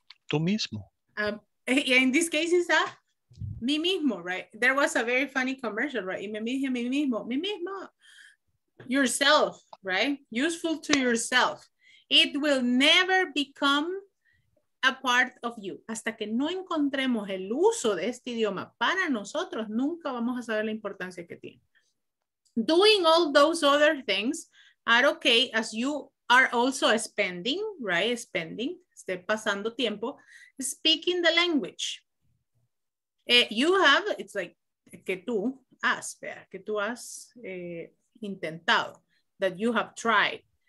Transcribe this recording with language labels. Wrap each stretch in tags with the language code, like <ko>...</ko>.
<es>Tú mismo.</es> <en>In this case, it's a</en> <es>mí mismo,</es> <en>right? There was a very funny commercial, right?</en> <es>Y me dije mí mismo. Mí mismo.</es> <en>Yourself, right? Useful to yourself. It will never become a part of you.</en> <es>Hasta que no encontremos el uso de este idioma para nosotros, nunca vamos a saber la importancia que tiene.</es> <en>Doing all those other things are okay as you are also spending, right? Spending,</en> <es>esté pasando tiempo,</es> <en>speaking the language. You have, it's like,</en> <es>que tú has intentado,</es> <en>that you have tried.</en>